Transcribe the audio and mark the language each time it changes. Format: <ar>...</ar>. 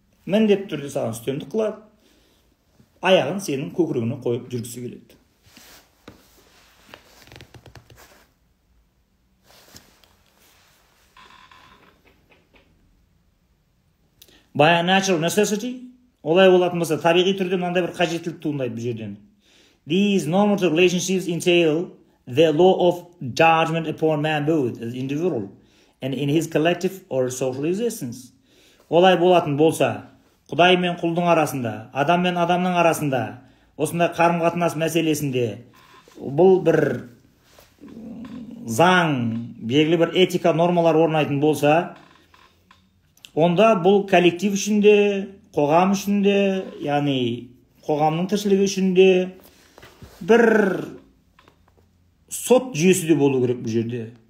<kk>Міндетті түрде саған үстемдік қылады. Аяғын сенің көкірегіне қойып жүргісі келеді.</kk> <en>By a natural necessity,</en> <kk>олай болатын болса, табиғи түрде мынандай бір қажеттілік туындайды бұл жерден.</kk> <en>These normative relationships entail the law of judgment upon man both as individual and in his collective or social existence.</en> <kk>Олай болатын болса, Құдай мен құлдың арасында, адам мен адамның арасында осында қарым-қатынас мәселесінде бұл бір заң, белгілі бір этика нормалар орнайтын болса, онда бұл коллектив үшін де, қоғам үшін де, яғни қоғамның тіршілігі үшін де бір сот жүйесі де болу керек бұл жерде.</kk>